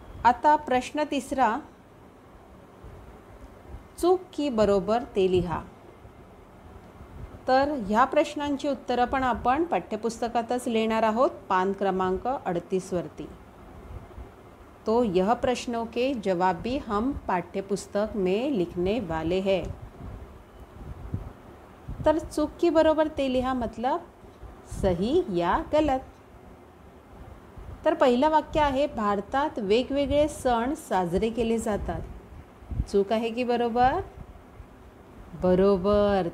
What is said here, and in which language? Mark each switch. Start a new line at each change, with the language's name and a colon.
Marathi: आता प्रश्न तिसरा, चूक की बरोबर ते लिहा. तर ह्या प्रश्नांची उत्तरं पण आपण पाठ्यपुस्तकातच लिहिणार आहोत पान क्रमांक 38 वरती.
Hindi: तो यह प्रश्नों के जवाब भी हम पाठ्यपुस्तक में लिखने वाले है.
Marathi: तर चूक की बरोबर ते लिहा मतलब
Hindi: सही या गलत.
Marathi: तर पहिला वाक्य आहे, भारतात वेगवेगळे सण साजरे केले जातात. चूक आहे की बरोबर? बरोबर.